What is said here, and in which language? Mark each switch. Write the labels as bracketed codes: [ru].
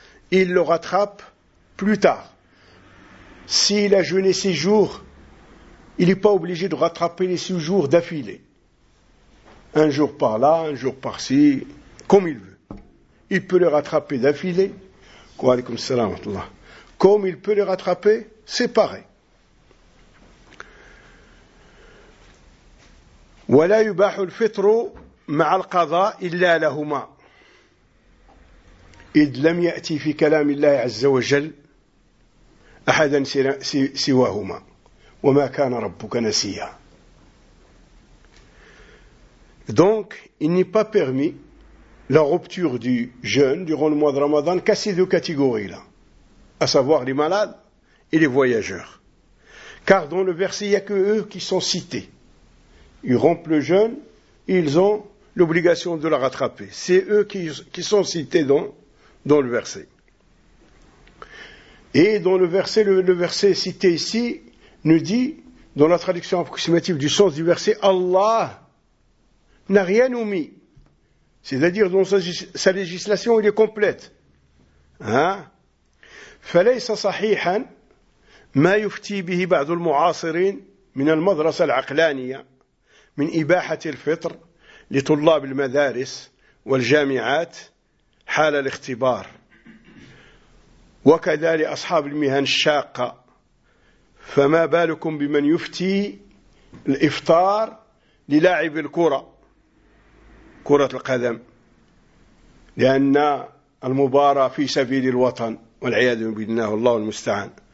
[fr] Et il le rattrape plus tard. S'il a jeûné 6 jours, il n'est pas obligé de rattraper les 6 jours d'affilée. Un jour par là, un jour par ci, comme il veut. Il peut le rattraper d'affilée. Wa alaykoum salam wa rahmatullah. Comme il peut les rattraper séparés. [ar] ولا يباح الفطر مع القضاء إلا لهما. إذ لم يأتي في كلام الله عز وجل أحدا سواهما وما كان ربك نسيا. [fr] Donc, il n'est pas permis la rupture du jeûne durant le mois de Ramadan qu'à ces deux catégories-là, à savoir les malades et les voyageurs. Car dans le verset, il n'y a que eux qui sont cités. Ils rompent le jeûne, ils ont l'obligation de la rattraper. C'est eux qui sont cités dans le verset. Et dans le verset, le verset cité ici, nous dit, dans la traduction approximative du sens du verset, Allah n'a rien omis. C'est-à-dire, dans sa législation, il est complète. Hein? [ar] فليس صحيحا ما يفتي به بعض المعاصرين من المدرسة العقلانية من إباحة الفطر لطلاب المدارس والجامعات حال الاختبار، وكذا لأصحاب المهن الشاقة، فما بالكم بمن يفتي الإفطار للاعب الكرة، كرة القدم، لأن المباراة في سبيل الوطن والعياذ بالله، الله المستعان.